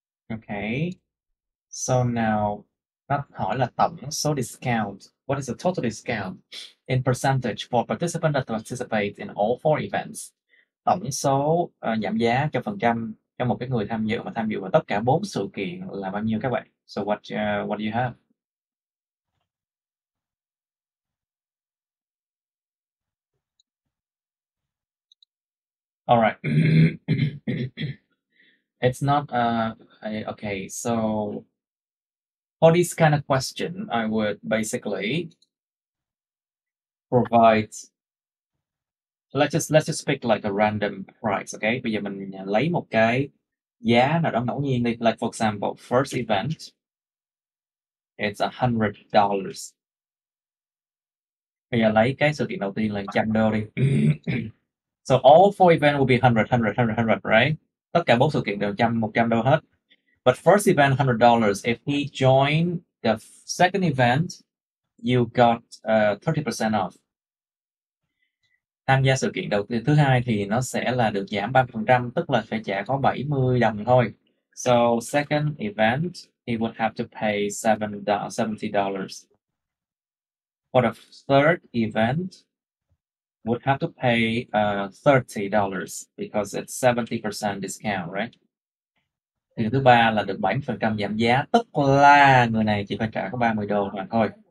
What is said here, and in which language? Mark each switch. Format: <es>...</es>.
<en>Okay, so now,</en> <vi>nó hỏi là tổng số discount.</vi> <en>What is the total discount in percentage for participants that participate in all four events?</en> <vi>Tổng số giảm giá cho phần trăm cho một cái người tham dự vào tất cả bốn sự kiện là bao nhiêu các bạn?</vi> <en>So what do you have? It's not okay, so for this kind of question, I would basically provide let's just pick like a random price, okay?</en> <vi>Bây giờ mình lấy một cái giá nào đó ngẫu nhiên đi.</vi> <en>Like for example, first event, it's $100.</en> <vi>Bây giờ lấy cái sự kiện đầu tiên là $100 đi.</vi> <en>So all four events will be 100, 100, 100, 100, right?</en> <vi>Tất cả bốn sự kiện đều $100 hết.</vi> <en>But first event, $100. If he joined the second event, you got 30% off.</en> <vi>Tham gia sự kiện đầu tiên thứ hai thì nó sẽ là được giảm 3%, tức là phải trả có 70 đồng thôi.</vi> <en>So second event, he would have to pay $70. For the third event, would have to pay $30 because it's 70% discount, right?</en> <vi>Thì thứ ba là được 7% giảm giá, tức là người này chỉ phải trả có 30 đô mà thôi.</vi>